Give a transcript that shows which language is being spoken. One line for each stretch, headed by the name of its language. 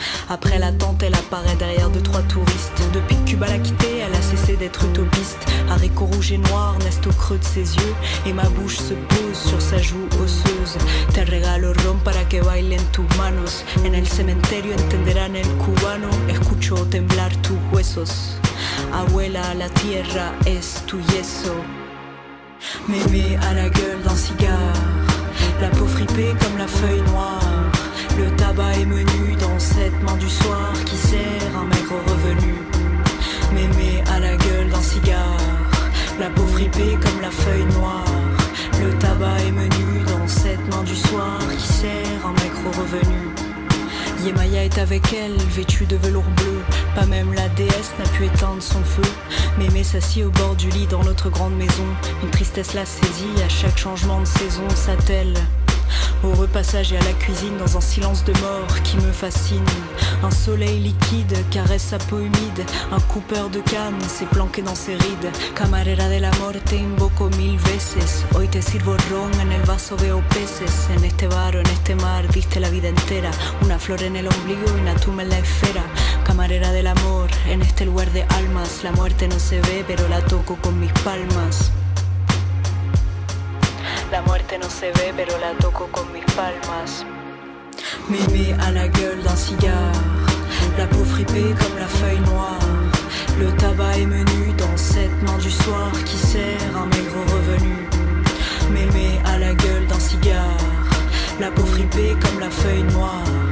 French: Après la tente, elle apparaît derrière 2-3 touristes. Depuis que Cuba l'a quittée, elle a cessé d'être utopiste. Haricots rouges et noirs naissent au creux de ses yeux. Et ma bouche se pose sur sa joue osseuse.
Spanish: Te regalo ron para que bailen tus manos. En el cementerio entenderán el cubano. Escucho temblar tus huesos. Abuela, la tierra es tu yeso.
French: Mémé à la gueule d'un cigare, la peau fripée comme la feuille noire. Le tabac est menu dans cette main du soir qui sert un maigre revenu. Mémé à la gueule d'un cigare, la peau fripée comme la feuille noire. Le tabac est menu dans cette main du soir qui sert un maigre revenu. Yemaya est avec elle, vêtue de velours bleu. Pas même la déesse n'a pu éteindre son feu. Mémé s'assit au bord du lit dans notre grande maison. Une tristesse la saisit, à chaque changement de saison s'attelle. Au repassage et à la cuisine, dans un silence de mort qui me fascine. Un soleil liquide caresse sa peau humide. Un coupeur de canne s'est planqué dans ses rides.
Spanish: Camarera de la morte invoco mil veces. Hoy te sirvo ron en el vaso veo peces. En este bar o en este mar diste la vida entera. Una flor en el ombligo y una tumba en la esfera. Camarera del amor, en este lugar de almas. La muerte no se ve, pero la toco con mis palmas. La muerte no se ve, pero la toco con mis palmas.
French: Mémé à la gueule d'un cigare, la peau fripée comme la feuille noire. Le tabac est menu dans cette main du soir qui sert un maigre revenu. Mémé à la gueule d'un cigare, la peau fripée comme la feuille noire.